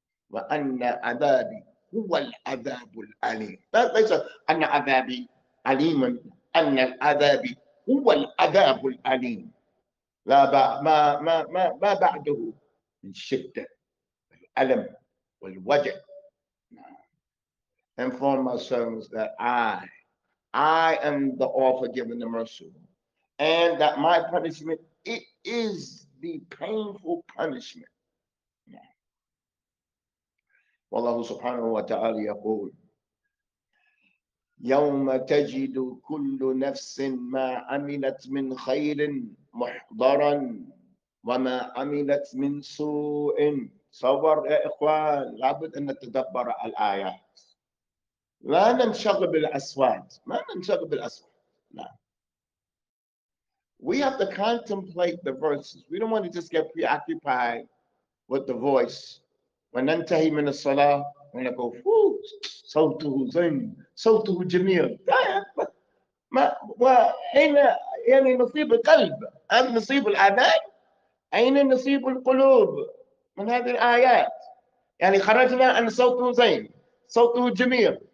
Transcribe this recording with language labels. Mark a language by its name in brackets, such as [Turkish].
[Arabic] وأن عذابي هو العذاب الأليم. That ليس أن عذابي أليم، أن العذاب هو العذاب الأليم. لا ما بعده من شدة الألم والوجع. [English] Inform my servants that I am the all-forgiving, the merciful, and that my punishment, it is the painful punishment. [Arabic] والله سبحانه وتعالى يقول: يوم تجد كل نفس ما عملت من خير محضرا وما عملت من سوء. صور يا إخوان، لابد أن نتدبر الآيات، لا ننشغل بالأصوات، ما ننشغل بالأصوات، لا. [English] We have to contemplate the verses. We don't want to just get preoccupied with the voice. [Arabic] وننتهي من الصلاة ونقول صوته زين، صوته جميل. ما وأين يعني نصيب القلب؟ أم نصيب الأذان؟ أين نصيب القلوب من هذه الآيات؟ يعني خرجنا أن صوته زين، صوته جميل.